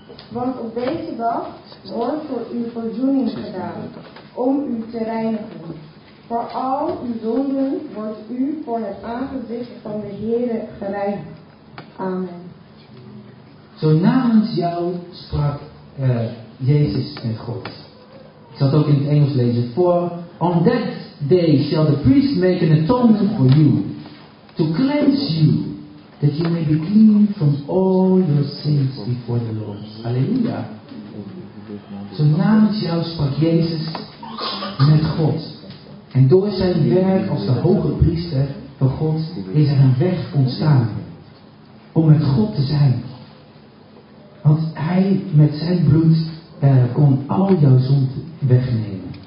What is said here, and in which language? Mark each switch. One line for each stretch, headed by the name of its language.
Dutch: Want op deze dag wordt voor u verzoening gedaan. Om u te reinigen. Voor al uw zonden wordt u voor het aangezicht van de Heere gereinigd. Amen. Zo namens jou sprak Jezus en God. Ik zal het ook in het Engels lezen.
English: For on that day shall the priest make an atonement for you, to cleanse you, that you may be clean from all your sins before the Lord.
Dutch: Halleluja. Zo namens jou sprak Jezus met God. En door zijn werk als de hoge priester van God is er een weg ontstaan om met God te zijn. Want hij met zijn bloed kon al jouw zonden wegnemen.